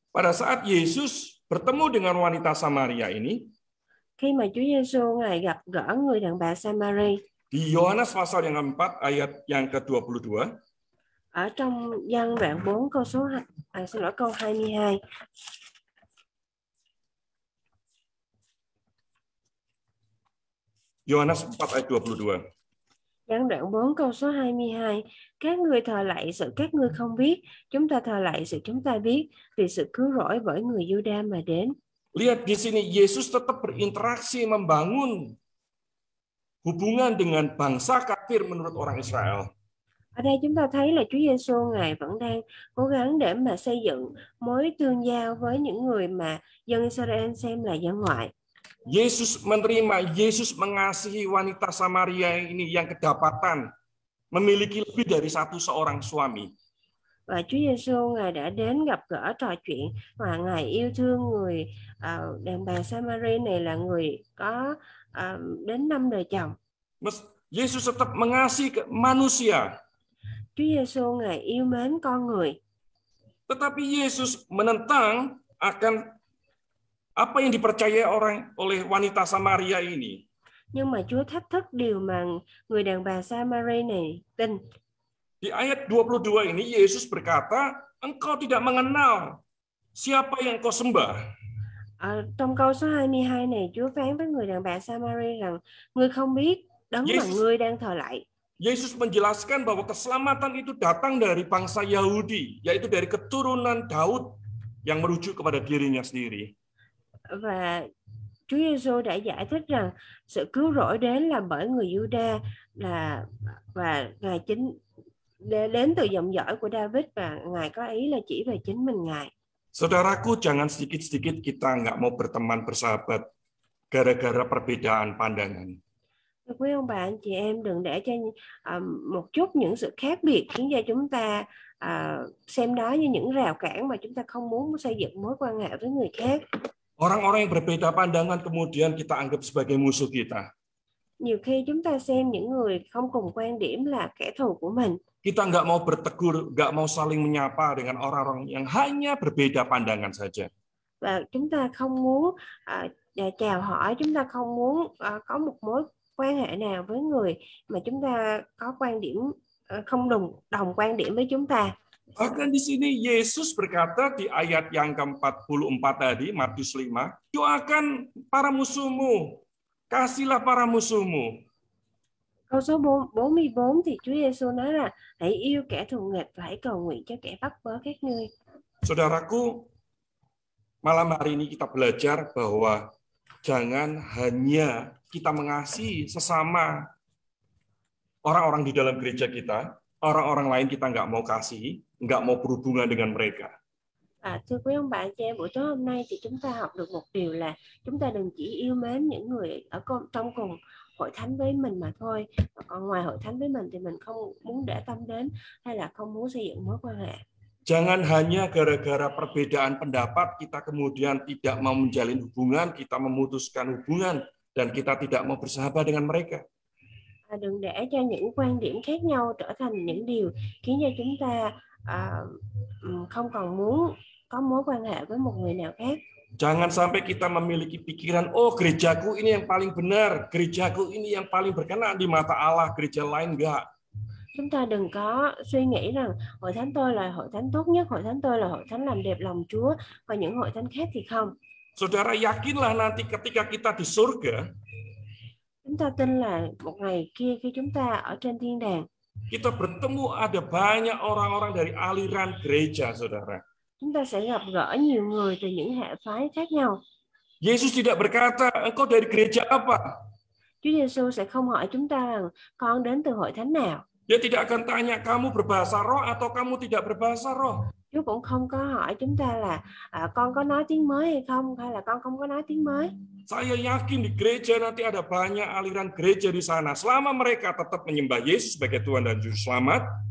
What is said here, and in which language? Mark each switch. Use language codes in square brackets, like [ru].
[id] Pada saat Yesus bertemu dengan wanita Samaria ini, [vi] khi mà Chúa Giêsu ngài gặp gỡ người đàn bà Samari. [id] Di Yohanes pasal yang keempat ayat yang ke-22. [vi] Ở trong Giăng đoạn 4 câu số 2, xin lỗi câu 22. [id] Yohanes 4 ayat 22. [vi] Giăng đoạn 4 câu số 22. Các người thờ lạy sự các người không biết, chúng ta thờ lạy sự chúng ta biết, vì sự cứu rỗi bởi người Giu-đa mà đến. [id] Lihat di sini Yesus tetap berinteraksi membangun hubungan dengan bangsa kafir menurut orang Israel. [vi] Ở đây chúng ta thấy là Chúa Giêsu ngài vẫn đang cố gắng để mà xây dựng mối tương giao với những người mà dân Israel xem là dân ngoại. [id] Yesus menerima, Yesus mengasihi wanita Samaria ini yang kedapatan memiliki lebih dari satu seorang suami. [vi] Và Chúa Giêsu ngài đã đến gặp gỡ trò chuyện và ngài yêu thương người đàn bà Samaria này là người có đến năm đời chồng. [id] Yesus tetap mengasihi manusia. [vi] Chúa Giêsu ngài yêu mến con người. [id] Tetapi Yesus menentang akan apa yang dipercaya orang oleh wanita Samaria ini. [vi] Nhưng mà Chúa thách thức điều mà người đàn bà Samaria này tin. [id] Di ayat 22 ini Yesus berkata, engkau tidak mengenal siapa yang kau sembah. [vi] Trong câu số 22 này Chúa phán với người đàn bà Samaria rằng người không biết đấng mà người đang thờ lạy. [id] Yesus menjelaskan bahwa keselamatan itu datang dari bangsa Yahudi, yaitu dari keturunan Daud yang merujuk kepada dirinya sendiri. [vi] Và Chúa Giêsu đã giải thích rằng sự cứu rỗi đến là bởi người Giu-đa là và ngài chính đến từ dòng dõi của David và ngài có ý là chỉ về chính mình ngài. [id] Saudaraku, jangan sedikit-sedikit kita nggak mau berteman bersahabat gara-gara perbedaan pandangan. [vi] Quý ông bà anh chị em đừng để cho một chút những sự khác biệt khiến cho chúng ta xem đó như những rào cản mà chúng ta không muốn xây dựng mối quan hệ với người khác. [id] Orang-orang yang berbeda pandangan kemudian kita anggap sebagai musuh kita. [vi] Nhiều khi chúng ta xem những người không cùng quan điểm là kẻ thù của mình. [id] Kita nggak mau bertegur, nggak mau saling menyapa dengan orang-orang yang hanya berbeda pandangan saja. [vi] Và chúng ta không muốn chào hỏi, chúng ta không muốn có một mối quan hệ nào với người mà chúng ta có quan điểm không đồng quan điểm với chúng ta. [id] Bahkan di sini Yesus berkata di ayat yang ke-44 tadi, Matius 5, doakan para musuhmu, kasihlah para musuhmu. [vi] Câu số 44 thì Chúa Giêsu nói là hãy yêu kẻ thù nghịch và hãy cầu nguyện cho kẻ bắt bớ các ngươi. [id] Saudaraku, malam hari ini kita belajar bahwa jangan hanya kita mengasihi sesama orang-orang di dalam gereja kita, orang-orang lain kita nggak mau kasih, nggak mau berhubungan dengan mereka. [vi] Thưa quý ông bà anh chị em, buổi tối hôm nay thì chúng ta học được một điều là chúng ta đừng chỉ yêu mến những người ở trong cùng hội thánh với mình mà thôi, mà còn ngoài hội thánh với mình thì mình không muốn để tâm đến hay là không muốn xây dựng mối quan hệ. [id] Jangan hanya gara-gara perbedaan pendapat kita kemudian tidak mau menjalin hubungan, kita memutuskan hubungan dan kita tidak mau bersahabat dengan mereka. [vi] Đừng để cho những quan điểm khác nhau trở thành những điều khiến cho chúng ta không còn muốn có mối quan hệ với một người nào khác. [id] Jangan sampai kita memiliki pikiran, oh gerejaku ini yang paling benar, gerejaku ini yang paling berkenan di mata Allah, gereja lain enggak. [vi] Chúng ta đừng có suy nghĩ rằng hội thánh tôi là hội thánh tốt nhất, hội thánh tôi là hội thánh làm đẹp lòng Chúa, còn những hội thánh khác thì không. [id] Saudara, yakinlah nanti ketika kita di surga, [vi] chúng ta tin là một ngày kia khi chúng ta ở trên thiên đàng, [id] kita bertemu ada banyak orang-orang dari aliran gereja, saudara. [vi] Chúng ta sẽ gặp gỡ nhiều người từ những hệ phái khác nhau. [id] Yesus tidak berkata, engkau dari gereja apa? [vi] Chúa Giêsu sẽ không hỏi chúng ta rằng con đến từ hội thánh nào. [id] Dia tidak akan tanya kamu berbahasa roh atau kamu tidak berbahasa roh. [vi] Chúa cũng không có hỏi chúng ta là con có nói tiếng mới hay không hay là con không có nói tiếng mới. [id] Saya yakin di gereja nanti ada banyak aliran gereja di sana. Selama mereka tetap menyembah Yesus sebagai Tuhan dan Juru Selamat.